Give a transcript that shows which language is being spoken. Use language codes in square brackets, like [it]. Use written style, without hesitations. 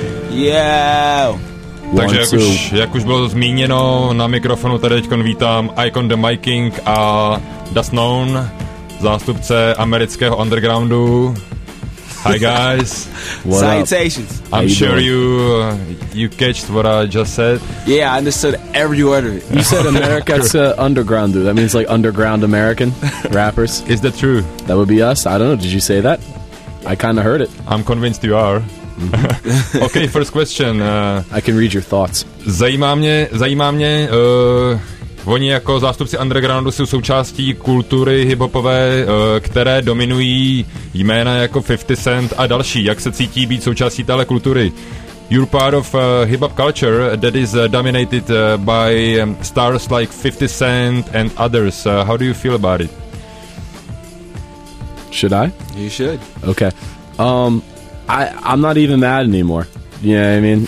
[en] Yeah. [cs] Takže jak už bylo zmíněno, na mikrofonu tady teďkon vítám Icon the Mike King a Das Known, zástupce amerického undergroundu. [en] Hi guys. Salutations. I'm sure you catched what I just said. Yeah, I understood every word of it. You said America's underground, dude. That means like underground American rappers. Is that true? That would be us. I don't know. Did you say that? I kind of heard it. I'm convinced you are. Okay, first question. I can read your thoughts. [cs] Zajímá mě, oni jako zástupci undergroundu jsou součástí kultury hiphopové, které dominují jména jako 50 Cent a další. Jak se cítí být součástí téhle kultury? [en] You're part of hiphop culture that is dominated by stars like 50 Cent and others. How do you feel about it? Should I? You should. Okay. I'm not even mad anymore. You know what I mean?